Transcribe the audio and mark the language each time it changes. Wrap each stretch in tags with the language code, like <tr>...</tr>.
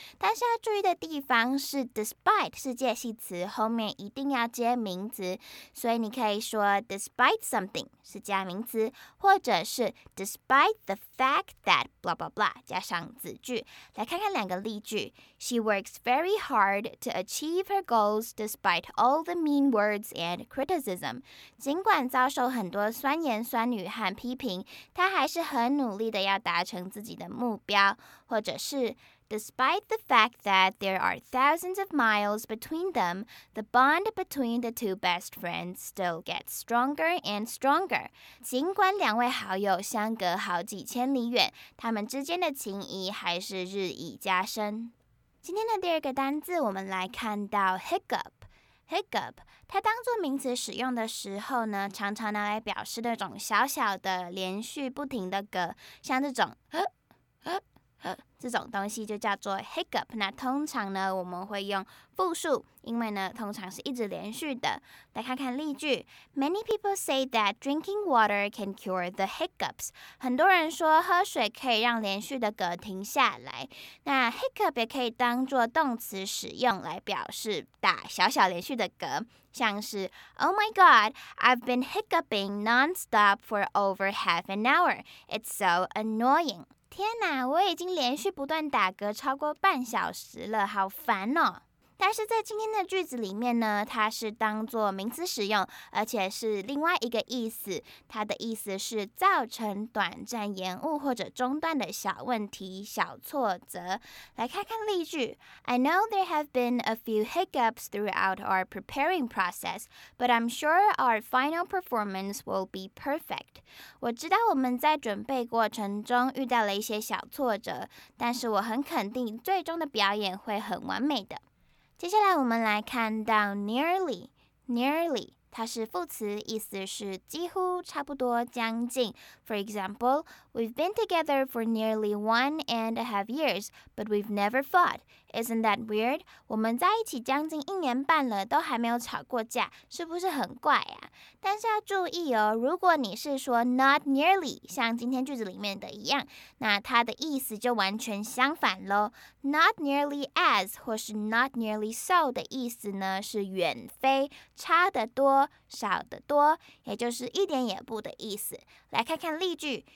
<zh>但是要注意的地方是 despite 是介系词，后面一定要接名词，所以你可以说</zh> <en>despite something</en> <zh>是加名词，或者是</zh> <en>despite the fact that blah blah</en> <zh>blah 加上子句。来看看两个例句。</zh> <en>She works very hard to achieve her goals despite all the mean words and criticism.</en> <zh>尽管遭受很多酸言酸语和批评，她还是很努力的要达成自己的目标。或者是</zh> <en>Despite the fact that there are thousands of miles between them, the bond between the two best friends still gets stronger and stronger.</en> <zh>尽管两位好友相隔好几千里远，他们之间的情谊还是日益加深。今天的第二个单字，我们来看到 hiccup。Hiccup， 它当作名词使用的时候呢，常常拿来表示那种小小的连续不停的嗝，像这种。这种东西就叫做 hiccup， 那通常呢我们会用复数，因为呢通常是一直连续的。来看看例句，</zh> <en>Many people say that drinking water can cure the hiccups.</en> <zh>很多人说喝水可以让连续的嗝停下来。那 hiccup 也可以当作动词使用，来表示打小小连续的嗝，像是</zh> <en>Oh my god, I've been hiccuping non-stop for over half an hour. It's so annoying.</en> <zh>天哪，我已经连续不断打嗝超过半小时了，好烦哦。但是在今天的句子里面呢，它是当作名词使用，而且是另外一个意思，它的意思是造成短暂延误或者中断的小问题、小挫折。来看看例句。</zh> <en>I know there have been a few hiccups throughout our preparing process, but I'm sure our final performance will be perfect.</en> <zh>我知道我们在准备过程中遇到了一些小挫折，但是我很肯定最终的表演会很完美的。接下来我们来看到 nearly， nearly 它是副词，意思是几乎、差不多、将近。</zh> <en>For example, we've been together for nearly 1.5 years, but we've never fought. Isn't that weird?</en> <zh>我们在一起将近一年半了，都还没有吵过架，是不是很怪啊？但是要注意哦，如果你是说</zh> <en>not nearly，</en> <zh>像今天句子里面的一样，那它的意思就完全相反咯。</zh> <en>Not nearly as</en> <zh>或是</zh> <en>not nearly so</en> <zh>的意思呢，是远非、差得多、少得多，也就是一点也不的意思。来看看例句。</zh>